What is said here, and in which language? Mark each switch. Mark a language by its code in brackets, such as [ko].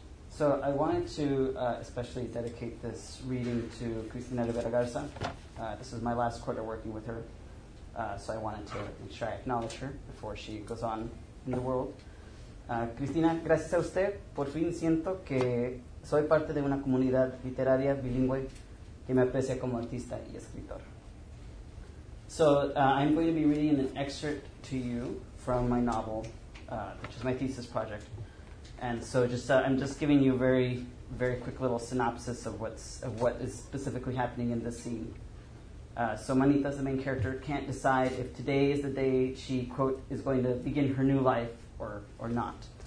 [en] So I wanted to especially dedicate this reading to Cristina Rivera Garza. This is my last quarter working with her, so I wanted to make sure I acknowledge her before she goes on in the world. [es] Cristina, gracias a usted, por fin siento que soy parte de una comunidad literaria bilingüe que me aprecia como artista y escritor. [en] So I'm going to be reading an excerpt to you from my novel, which is my thesis project. And so I'm just giving you a very, very quick little synopsis of what is specifically happening in this scene. So Manita's the main character, can't decide if today is the day she, quote, is going to begin her new life or not.